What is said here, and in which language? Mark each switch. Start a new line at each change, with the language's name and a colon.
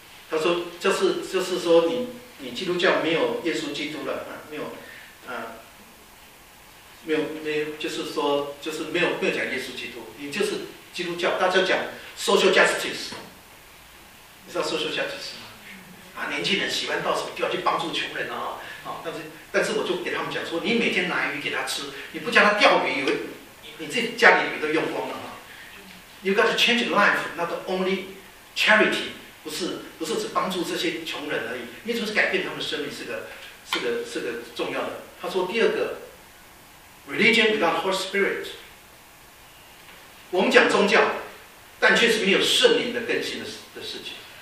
Chinese: 他说：“就是说你基督教没有耶稣基督了啊，没有，就是说就是没有讲耶稣基督，你就是基督教。大家讲 social justice， 你知道 social justice 吗？啊，年轻人喜欢到什么地方去帮助穷人啊？啊，但是我就给他们讲说，你每天拿鱼给他吃，你不叫他钓鱼，你自己家里鱼都用光了啊。
English: You got to change life, not only charity.”
Chinese: 不是只帮助这些穷人而已，你只是改变他们的生命是个重要的。他说第二个 ，
English: religion without Holy Spirit，
Chinese: 我们讲宗教，但却是没有圣灵的更新的事情。